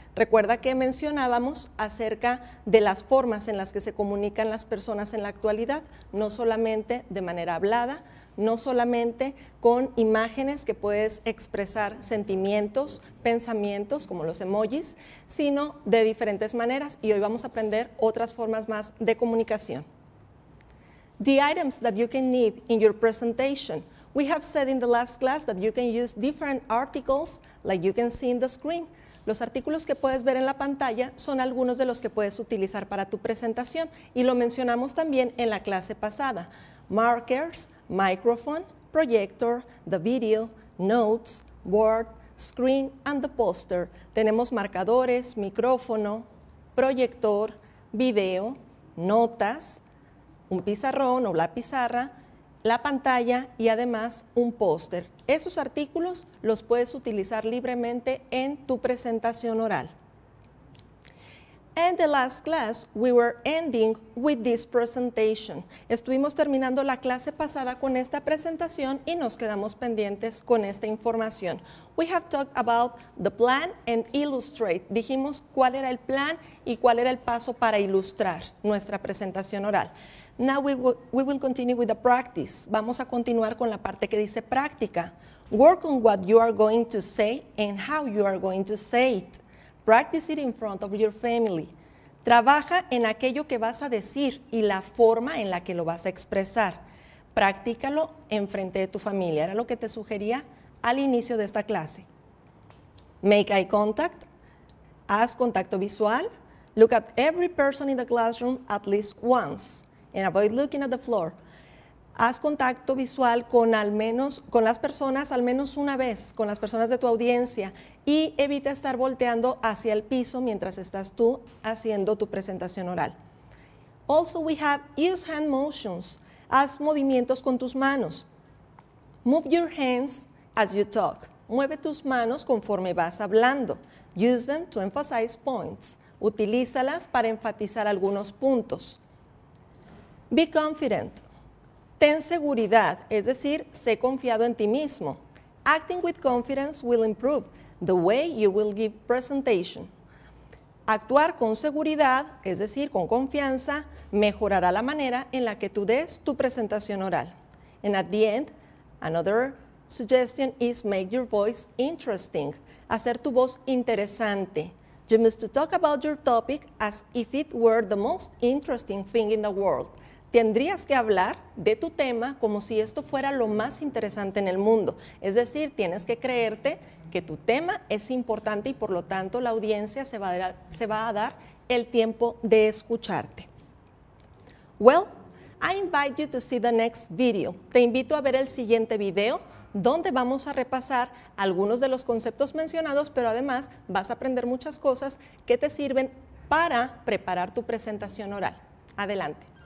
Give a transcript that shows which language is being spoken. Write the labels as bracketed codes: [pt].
[es] Recuerda que mencionábamos acerca de las formas en las que se comunican las personas en la actualidad, no solamente de manera hablada, no solamente con imágenes que puedes expresar sentimientos, pensamientos, como los emojis, sino de diferentes maneras, y hoy vamos a aprender otras formas más de comunicación. [en] The items that you can need in your presentation. We have said in the last class that you can use different articles like you can see in the screen. [es] Los artículos que puedes ver en la pantalla son algunos de los que puedes utilizar para tu presentación y lo mencionamos también en la clase pasada. [en] Markers, microphone, projector, the video, notes, board, screen, and the poster. [es] Tenemos marcadores, micrófono, proyector, video, notas, un pizarrón o la pizarra, la pantalla y además un póster. Esos artículos los puedes utilizar libremente en tu presentación oral. [en] And the last class, we were ending with this presentation. [es] Estuvimos terminando la clase pasada con esta presentación y nos quedamos pendientes con esta información. [en] We have talked about the plan and illustrate. [es] Dijimos cuál era el plan y cuál era el paso para ilustrar nuestra presentación oral. [en] Now we will continue with the practice. [es] Vamos a continuar con la parte que dice práctica. [en] Work on what you are going to say and how you are going to say it. Practice it in front of your family. [es] Trabaja en aquello que vas a decir y la forma en la que lo vas a expresar. Practícalo en frente de tu familia. Era lo que te sugería al inicio de esta clase. [en] Make eye contact. [es] Haz contacto visual. [en] Look at every person in the classroom at least once. And avoid looking at the floor. [es] Haz contacto visual con las personas al menos una vez, con las personas de tu audiencia, y evita estar volteando hacia el piso mientras estás tú haciendo tu presentación oral. [en] Also, we have use hand motions. [es] Haz movimientos con tus manos. [en] Move your hands as you talk. [es] Mueve tus manos conforme vas hablando. [en] Use them to emphasize points. [es] Utilízalas para enfatizar algunos puntos. [en] Be confident. [es] Ten seguridad, es decir, sé confiado en ti mismo. [en] Acting with confidence will improve the way you will give presentation. [es] Actuar con seguridad, es decir, con confianza, mejorará la manera en la que tú des tu presentación oral. [en] And at the end, another suggestion is make your voice interesting. [es] Hacer tu voz interesante. [en] You must talk about your topic as if it were the most interesting thing in the world. [es] Tendrías que hablar de tu tema como si esto fuera lo más interesante en el mundo. Es decir, tienes que creerte que tu tema es importante y por lo tanto la audiencia se va a dar el tiempo de escucharte. [en] Well, I invite you to see the next video. [es] Te invito a ver el siguiente video donde vamos a repasar algunos de los conceptos mencionados, pero además vas a aprender muchas cosas que te sirven para preparar tu presentación oral. Adelante.